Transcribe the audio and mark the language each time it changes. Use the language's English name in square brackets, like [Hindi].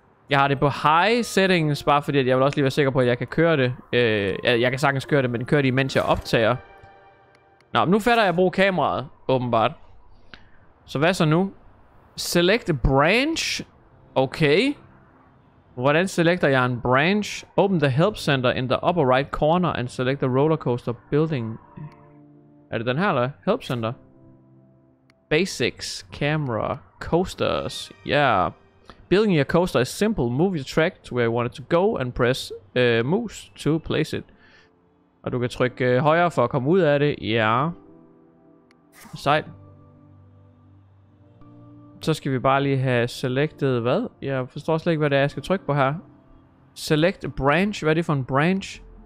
[Danish] Jeg har det på high settings, bare fordi at jeg vil også lige være sikker på, at jeg kan køre det. Jeg kan sagtens køre det, men kører det imens jeg optager. Nå, nu fatter jeg at bruge kameraet, åbenbart. Så hvad så nu? [English] Select a branch. [Danish] Okay. Hvordan selekter jeg en branch? [English] Open the help center in the upper right corner and select the roller coaster building. [Danish] Er det den her, eller? Help center. Basics. Camera. Coasters. Yeah. [English] Building your coaster is simple. Move your track to where you want it to go and press mouse to place it. [Danish] Og du kan trykke højre for at komme ud af det. Ja. Yeah. Sejt. Så skal vi bare lige have selected hvad? Jeg forstår slet ikke, hvad det er, jeg skal trykke på her. Select branch. Hvad er det for en branch?